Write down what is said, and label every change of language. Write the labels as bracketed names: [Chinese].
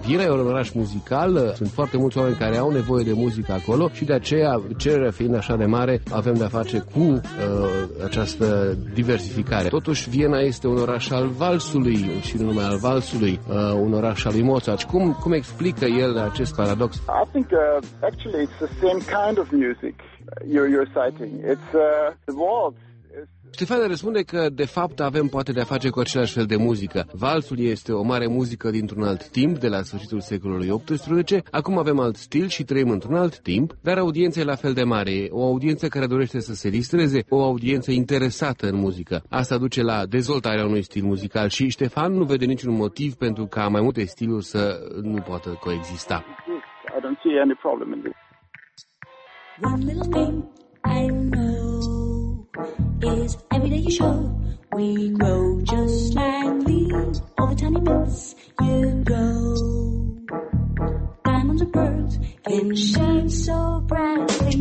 [Romanian] Viena e un oraș muzical, sunt foarte mulți oameni care au nevoie de muzică acolo și de aceea, cererea fiind așa de mare, avem de-a face cu această diversificare. Totuși, Viena este un oraș al valsului și nu numai al valsului, un oraș al lui Mozart. Cum explică el acest paradox? [English] I think actually it's the same kind of music you're citing. It's the waltz. [Romanian] Stefan răspunde că, de fapt, avem poate de-a face cu același fel de muzică. Valsul este o mare muzică dintr-un alt timp, de la sfârșitul secolului XVIII. Acum avem alt stil și trăim într-un alt timp, dar audiența e la fel de mare. O audiență care dorește să se distreze, o audiență interesată în muzică. Asta duce la dezvoltarea unui stil muzical și Stefan nu vede niciun motiv pentru ca mai multe stiluri să nu poată coexista. [English] I don't see any problem in this. Is every day you show, we grow just like leaves, all the tiny bits you grow. Diamonds and pearls in shades so brightly.